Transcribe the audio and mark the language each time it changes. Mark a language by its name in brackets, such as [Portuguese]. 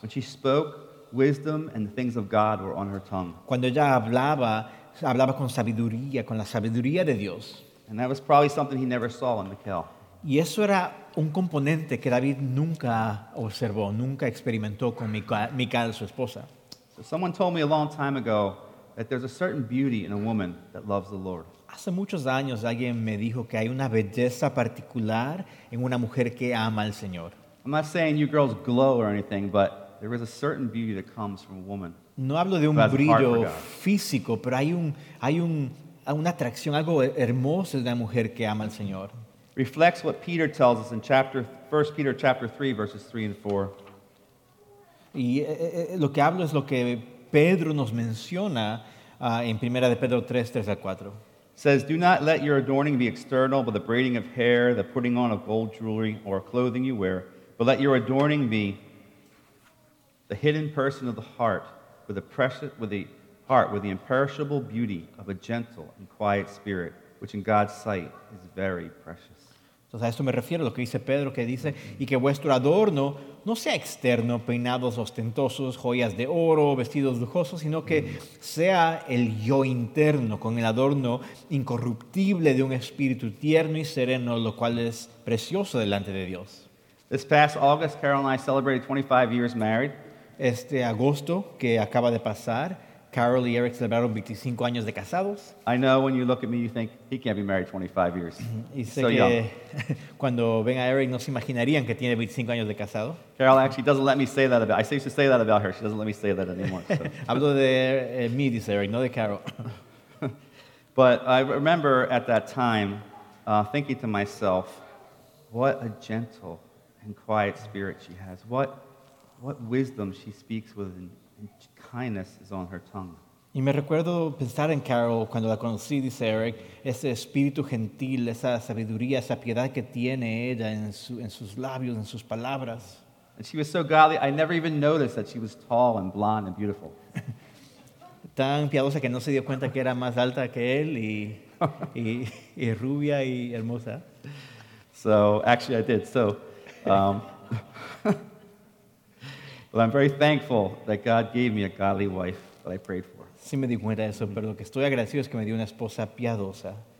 [English] When she spoke, wisdom and the things of God were on her tongue. [Spanish] Cuando ella hablaba, hablaba con sabiduría, con la sabiduría de Dios. [English] And that was probably something he never saw in Mikal. [Spanish] Y eso era un componente que David nunca observó, nunca experimentó con Mikal, su esposa. [English] So someone told me a long time ago that there's a certain beauty in a woman that loves the Lord. [Spanish] Hace muchos años alguien me dijo que hay una belleza particular en una mujer que ama al Señor. [English] I'm not saying you girls glow or anything, but there is a certain beauty that comes from a woman. [Spanish] No hablo de un brillo físico, pero hay una atracción, algo hermoso de una mujer que ama al Señor. [English] Reflects what Peter tells us in 1 Peter chapter 3, verses 3 and 4. [Spanish] Y lo que hablo es lo que Pedro nos menciona en 1 Pedro 3, 3 al 4. [English] Says, do not let your adorning be external, but the braiding of hair, the putting on of gold jewelry, or clothing you wear, but let your adorning be the hidden person of the heart, with the imperishable beauty of a gentle and quiet spirit, which in God's sight is very precious. [Spanish] Entonces a esto me refiero, lo que dice Pedro, que dice, y que vuestro adorno no sea externo, peinados ostentosos, joyas de oro, vestidos lujosos, sino que sea el yo interno, con el adorno incorruptible de un espíritu tierno y sereno, lo cual es precioso delante de Dios. [English] This past August, Carol and I celebrated 25 years married. [Spanish] Este agosto que acaba de pasar, Carol y Eric celebraron 25 años de casados. [English] I know when you look at me, you think, he can't be married 25 years. [Spanish] Y sé so que cuando ven a Eric, no se imaginarían que tiene 25 años de casado. [English] Carol actually doesn't let me say that about her. I used to say that about her. She doesn't let me say that anymore. So. [Spanish] Hablo de mí, dice Eric, no de Carol. [English] But I remember at that time thinking to myself, what a gentle and quiet spirit she has. What wisdom she speaks with and kindness is on her tongue. [Spanish] Y me recuerdo pensar en Carol cuando la conocí, dice Eric, ese espíritu gentil, esa sabiduría, esa piedad que tiene ella en sus labios, en sus palabras. [English] And she was so godly, I never even noticed that she was tall and blonde and beautiful. [Spanish] Tan piadosa que no se dio cuenta que era más alta que él y rubia y hermosa. [English] So, actually, I did. So, well, I'm very thankful that God gave me a godly wife that I prayed for. [Spanish] Sí me di cuenta de eso, pero lo que estoy agradecido es que me dio una esposa piadosa.